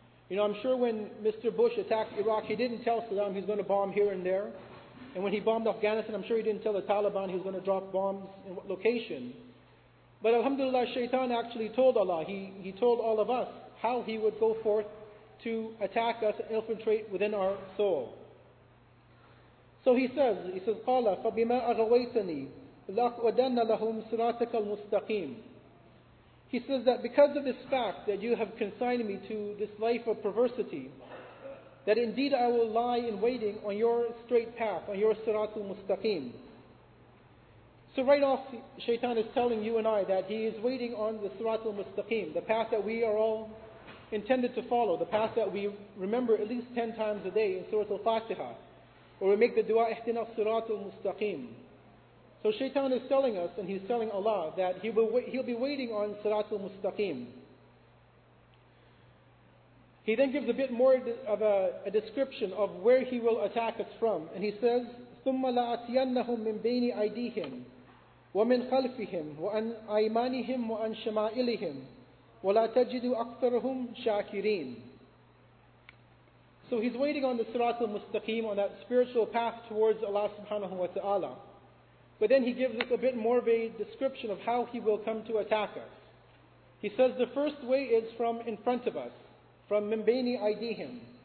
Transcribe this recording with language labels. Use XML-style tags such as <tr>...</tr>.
<en>I'm sure when Mr. Bush attacked Iraq, he didn't tell Saddam he's going to bomb here and there. And when he bombed Afghanistan, I'm sure he didn't tell the Taliban he was going to drop bombs in what location. But alhamdulillah, Shaitan actually told Allah, he told all of us how he would go forth to attack us and infiltrate within our soul.</en> <ar>So he says, قَالَ فَبِمَا أَغَوَيْتَنِي لَأَقْوَدَنَّ لَهُمْ صِرَاطَكَ الْمُسْتَقِيمِ.</ar> <en>He says that because of this fact that you have consigned me to this life of perversity, that indeed I will lie in waiting on your straight path, on your siratul mustaqim. So right off, Shaitan is telling you and I that he is waiting on the siratul mustaqim, the path that we are all intended to follow, the path that we remember at least 10 times a day in Surah Al-Fatiha, or we make the dua,</en> <ar>ihdina siratul mustaqim.</ar> <en>So Shaitan is telling us, and he's telling Allah, that he'll be waiting on Sirat al-Mustaqim. He then gives a bit more of a description of where he will attack us from.</en> <ar>And he says, ثُمَّ لَأَتِيَنَّهُمْ مِنْ بَيْنِ أَيْدِيهِمْ وَمِنْ خَلْفِهِمْ وَأَنْ أَيْمَانِهِمْ وَأَنْ شَمَائِلِهِمْ وَلَا تَجِدُ أَكْثَرَهُمْ شَاكِرِينَ.</ar> <en>So he's waiting on the Sirat al-Mustaqim, on that spiritual path towards Allah subhanahu wa ta'ala. But then he gives us a bit more of a description of how he will come to attack us. He says the first way is from in front of us, from</en> <ar>Mimbaini Aydihim.</ar>